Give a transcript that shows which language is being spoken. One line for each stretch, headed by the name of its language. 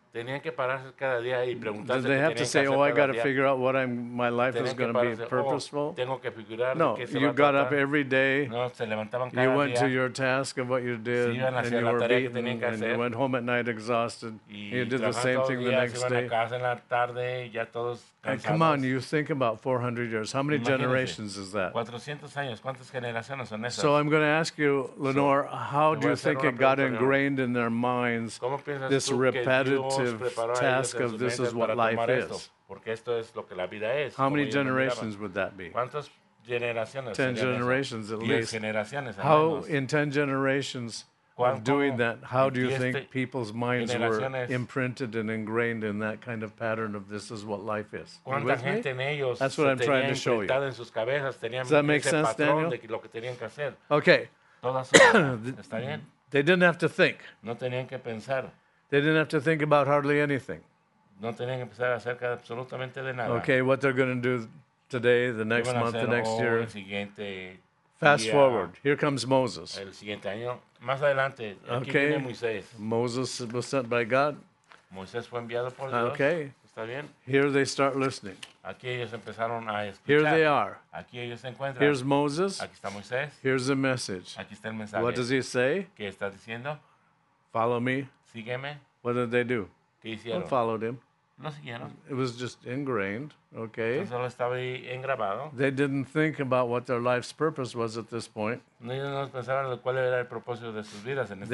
Spanish: Tenían que pararse cada día y preguntarse.
English: Did they have to say, "Oh, I got to figure out what my life is going to be purposeful"?
Spanish: Tengo que figurar.
English: No, you got up every day.
Spanish: No, se levantaban cada
English: día. You went to your task of what you did, and you were beaten, and you went home at night exhausted. You did the same thing the next day.
Spanish: Y trabajando todos los días, iban a casa en la tarde y ya todos cansados.
English: And come on, you think about 400 years. How many generations is that?
Spanish: 400 años. ¿Cuántas generaciones son esas?
English: So I'm going to ask you, Lenore, how do you think it got ingrained in their minds?
Spanish: ¿Cómo piensas tú que
English: task of this is what life is?
Spanish: Porque esto es lo que la vida es.
English: How many generations would that be?
Spanish: ¿Cuántas generaciones?
English: 10 generations at least.
Spanish: 10 generaciones, al
English: how
Spanish: menos.
English: In 10 generations of doing that, how do you think people's minds were imprinted and ingrained in that kind of pattern of this is what life is?
Spanish: ¿Cuánta gente en ellos?
English: That's what I'm trying to show you.
Spanish: En sus cabezas,
English: does that make sense, Daniel?
Spanish: Lo que tenían que hacer.
English: Okay.
Spanish: ¿Está bien?
English: They didn't have to think.
Spanish: No tenían que pensar.
English: They didn't have to think about hardly anything.
Spanish: No tenían que pensar acerca de absolutamente de nada.
English: Okay, what they're going to do today, the next month, the next year.
Spanish: El siguiente día.
English: Fast forward. Here comes Moses.
Spanish: El siguiente año. Más adelante.
English: Okay.
Spanish: Aquí viene Moisés.
English: Moses was sent by God.
Spanish: Moisés fue enviado por Dios.
English: Okay.
Spanish: Está bien.
English: Here they start listening.
Spanish: Aquí ellos empezaron a escuchar.
English: Here they are.
Spanish: Aquí ellos se encuentran.
English: Here's Moses.
Spanish: Aquí está Moisés.
English: Here's the message.
Spanish: Aquí está el mensaje.
English: What does he say?
Spanish: ¿Qué está diciendo?
English: Follow me.
Spanish: Sígueme.
English: What did they do?
Spanish: ¿Qué hicieron?
English: They followed him.
Spanish: No siguieron.
English: It was just ingrained, okay?
Spanish: Entonces, solo estaba ahí engrabado.
English: They didn't think about what their life's purpose was at this point.
Spanish: No, ellos no pensaron cuál era el propósito de sus vidas en este